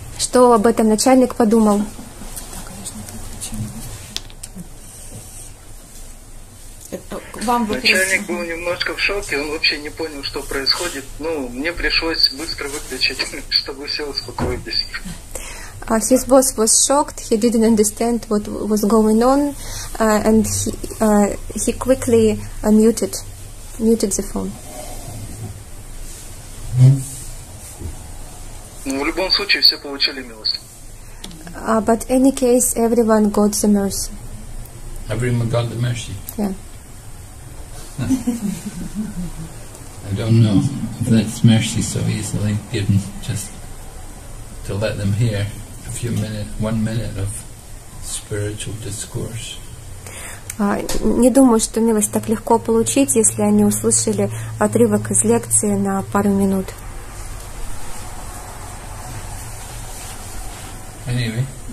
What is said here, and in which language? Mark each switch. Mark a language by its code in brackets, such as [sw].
[ru] Что об этом начальник подумал? Вам начальник был немножко в шоке, он вообще не понял, что происходит. Ну, мне пришлось быстро выключить, чтобы все успокоились. [en] His boss was shocked. He didn't understand what was going on, and he quickly muted the phone. [ru] Ну, в любом случае все получили милость. [en] But in any case, everyone got the mercy. Everyone got the mercy. Yeah. I don't know if that's mercy so easily given, just to let them hear a few minutes, 1 minute of spiritual discourse. [ru] Не думаю, что милость так легко получить, если они услышали отрывок из лекции на пару минут. [en] Anyway.